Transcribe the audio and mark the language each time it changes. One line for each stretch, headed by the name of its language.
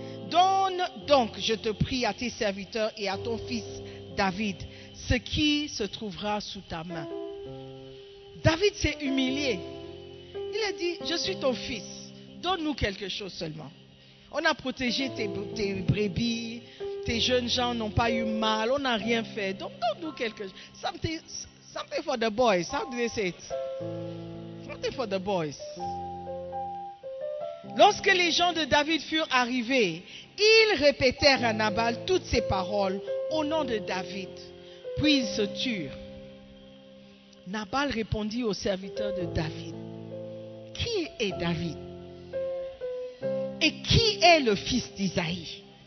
French: Donne donc, je te prie, à tes serviteurs et à ton fils David, ce qui se trouvera sous ta main. David s'est humilié. Il a dit, je suis ton fils, donne-nous quelque chose seulement. On a protégé tes brebis, tes jeunes gens n'ont pas eu mal, on n'a rien fait. Donc, donne-nous quelque chose.
English: Something for the boys, how do they say it? Something for the boys.
French: Lorsque les gens de David furent arrivés, ils répétèrent à Nabal toutes ces paroles au nom de David. Puis ils se turent. Nabal répondit aux serviteurs de David. Qui est David? Et qui est le fils d'Isaïe?